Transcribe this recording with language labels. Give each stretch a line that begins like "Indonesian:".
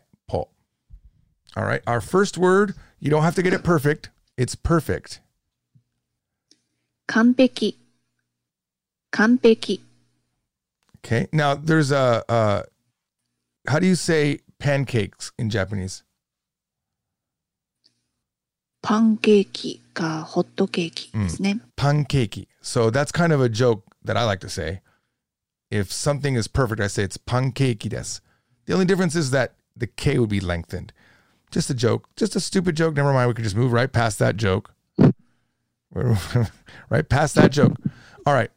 English: All right, our first word, you don't have to get it perfect. It's perfect.
Japanese: 完璧。完璧.
English: Okay, now there's a, how do you say pancakes in Japanese?
Japanese: パンケーキかホットケーキですね。パンケーキ.
English: So that's kind of a joke that I like to say. If something is perfect, I say it's
Japanese: パンケーキです.
English: The only difference is that the K would be lengthened. Just a joke, just a stupid joke. Never mind, we could just move right past that joke. Right past that joke. All right.